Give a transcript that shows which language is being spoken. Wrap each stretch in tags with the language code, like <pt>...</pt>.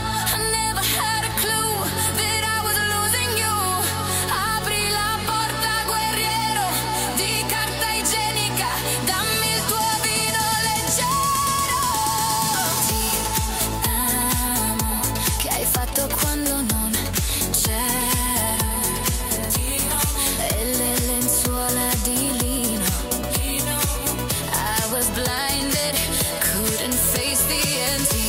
<en>I never had a clue that I was losing you.</en> <it>Abri la porta, guerriero, di carta igienica, dammi il tuo vino leggero. Ti amo, che hai fatto quando non c'ero, ti amo, e le lenzuola di lino, lino.</it> <en>I was blinded, couldn't face the end.</en>